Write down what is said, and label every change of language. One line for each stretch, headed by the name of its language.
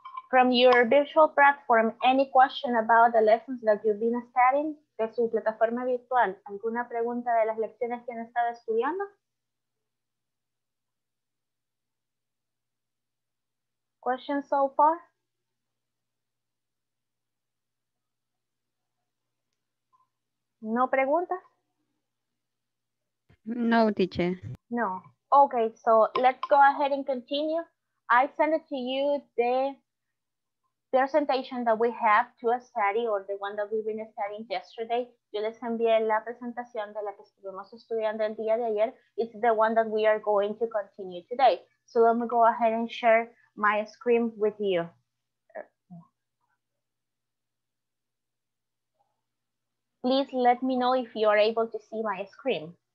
English: From your virtual platform, any question about the lessons that you've been studying?
Spanish: De su plataforma virtual, ¿alguna pregunta de las lecciones que han estado estudiando?
English: Questions so far?
Spanish: ¿No preguntas?
English: No, teacher. No. Okay, so let's go ahead and continue. I send it to you the presentation that we have to study, or the one that we've been studying yesterday.
Spanish: Yo les envié la presentación de la que estuvimos estudiando el día de ayer.
English: It's the one that we are going to continue today. So let me go ahead and share my screen with you. Please let me know if you are able to see my screen.